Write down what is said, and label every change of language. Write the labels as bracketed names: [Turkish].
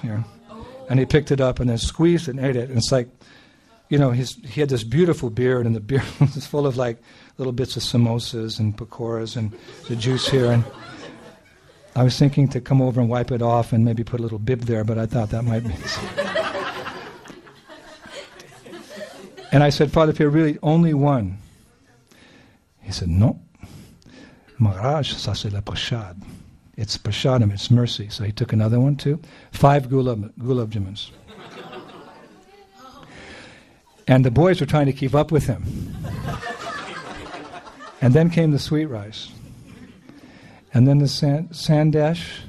[English] You know, and he picked it up and then squeezed it and ate it. And it's like, you know, he had this beautiful beard and the beard was full of like little bits of samosas and pakoras and the juice here. And I was thinking to come over and wipe it off and maybe put a little bib there, but I thought that might be... And I said, Father Pierre, really, only one. He said, no. [French] Maharaj, ça c'est le prasad. [English] It's prasadam, it's mercy. So he took another one too. Five gulab jamuns. And the boys were trying to keep up with him. And then came the sweet rice. And then the sandesh.